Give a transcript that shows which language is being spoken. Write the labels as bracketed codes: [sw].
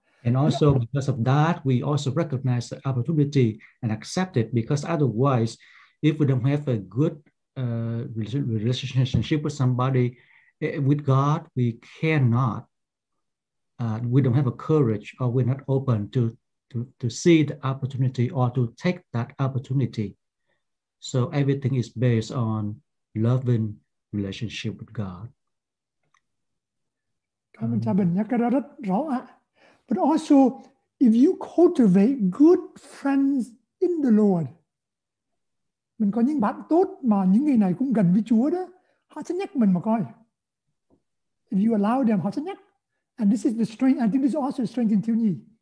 [en] And also because of that, we also recognize the opportunity and accept it, because otherwise, if we don't have a good relationship with somebody, with God, we cannot, we don't have a courage, or we're not open to see the opportunity or to take that opportunity. So everything is based on loving relationship with God. [vi] Cảm ơn cha Bình nhắc cái đó rất rõ ạ. [en] But also, if you cultivate good friends in the Lord, [vi] mình có những bạn tốt mà những người này cũng gần với Chúa đó, họ sẽ nhắc mình mà coi. [en] If you allow them, [vi] họ sẽ nhắc. [en] And this is the strength, I think this is also strength in thiếu nhi.